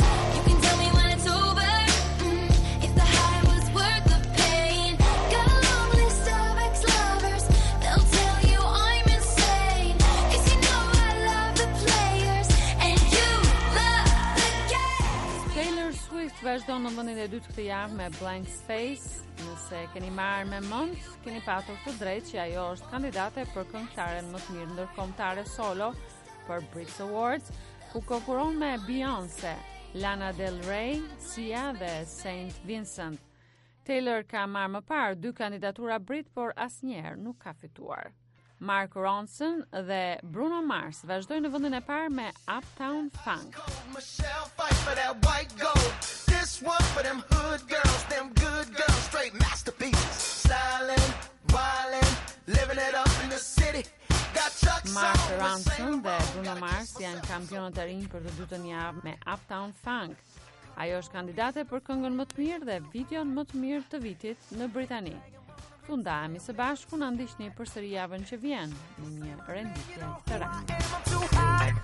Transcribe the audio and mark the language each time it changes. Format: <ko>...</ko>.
<en>You can tell me when it's over, if the high was worth the pain. Got a long list of ex-lovers, they'll tell you I'm insane. Cause you know I love the players, and you love the games.</en> <sq>Taylor Swift vazhdon në vendin e dytë këtë javë me Blank Space. Nëse keni marrë me mend, keni patur të drejtë që ajo është kandidate për këngëtaren më të mirë ndërkombëtare solo për Brit Awards, ku konkuron me Beyoncé, Lana Del Rey, Sia dhe Saint Vincent. Taylor ka marrë më parë dy kandidatura Brit, por asnjëherë nuk ka fituar. Mark Ronson dhe Bruno Mars vazhdojnë në vendin e parë me Uptown Funk.</sq> <en>Michelle fight for that white gold. This one for them hood girls, them good girls, straight masterpieces. Stylin', wildin', living it up in the city.</en> <sq>Mark Ronson dhe Bruno Mars janë kampionët e rinj për të dytën javë me Uptown Funk. Ajo është kandidate për këngën më të mirë dhe videon më të mirë të vitit në Britani. Këtu ndahemi së bashku, na ndiqni përsëri javën që vjen në një renditje të re.</sq>